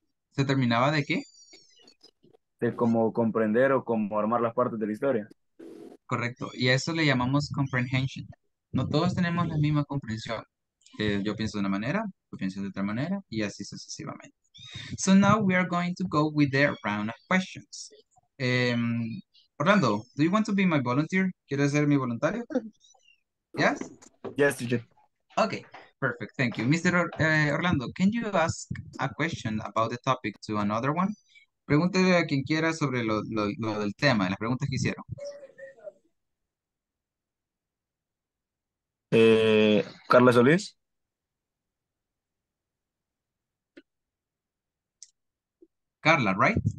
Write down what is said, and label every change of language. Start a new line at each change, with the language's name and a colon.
Spanish: ¿Se terminaba de qué? De cómo comprender o cómo armar las partes de la historia. Correcto, y a eso le llamamos comprehension. No todos tenemos la misma comprensión. Yo pienso de una manera, tú piensas de otra manera, y así sucesivamente.
English: So now we are going to go with the round of questions. Orlando, do you want to be my volunteer?
Spanish: ¿Quieres ser mi voluntario? Yes?
English: Yes, teacher. Okay, perfect, thank you. Mr. Orlando, can you ask a question about the topic to another one?
Spanish: Pregúntele a quien quiera sobre lo del tema, las preguntas que hicieron. Carla Solís.
English: Carla, right?